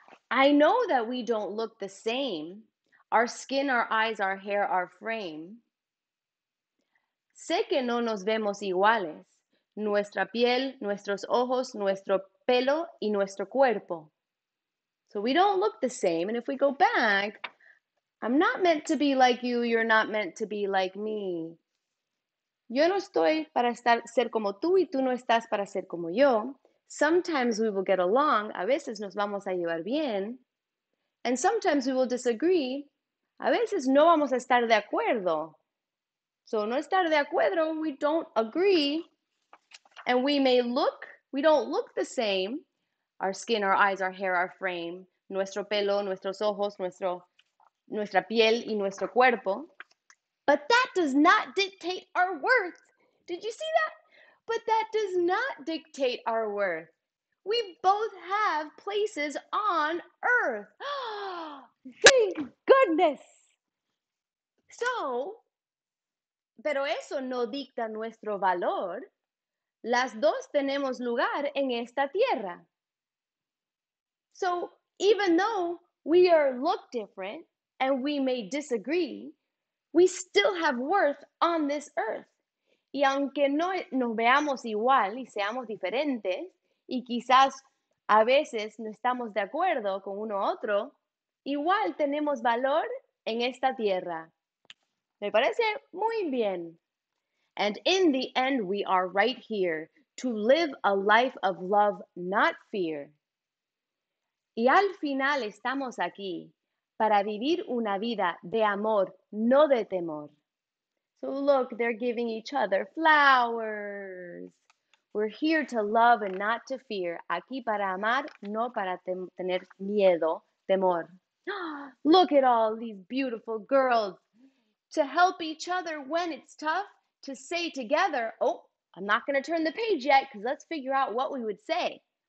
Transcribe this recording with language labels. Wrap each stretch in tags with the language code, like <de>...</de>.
<en>I know that we don't look the same. Our skin, our eyes, our hair, our frame.</en> <es>Sé que no nos vemos iguales. Nuestra piel, nuestros ojos, nuestro pelo y nuestro cuerpo.</es> <en>So we don't look the same. And if we go back, I'm not meant to be like you. You're not meant to be like me.</en> <es>Yo no estoy para ser como tú y tú no estás para ser como yo.</es> <en>Sometimes we will get along.</en> <es>A veces nos vamos a llevar bien.</es> <en>And sometimes we will disagree.</en> <es>A veces no vamos a estar de acuerdo.</es> <en>So</en> <es>no estar de acuerdo,</es> <en>we don't agree. And we may look, we don't look the same. Our skin, our eyes, our hair, our frame.</en> <es>Nuestro pelo, nuestros ojos, nuestra piel y nuestro cuerpo.</es> <en>But that does not dictate our worth. Did you see that? But that does not dictate our worth. We both have places on earth. Thank goodness. So,</en> <es>pero eso no dicta nuestro valor. Las dos tenemos lugar en esta tierra. So,</es> <en>even though we are look different and we may disagree, we still have worth on this earth.</en> <es>Y aunque no nos veamos igual y seamos diferentes, y quizás a veces no estamos de acuerdo con uno u otro, igual tenemos valor en esta tierra. Me parece muy bien.</es> <en>And in the end, we are right here to live a life of love, not fear.</en> <es>Y al final estamos aquí para vivir una vida de amor, no de temor.</es> <en>So look, they're giving each other flowers. We're here to love and not to fear.</en> <es>Aquí para amar, no para tener miedo, temor.</es> <en>Look at all these beautiful girls. To help each other when it's tough, to say together, oh, I'm not going to turn the page yet because let's figure out what we would say.</en>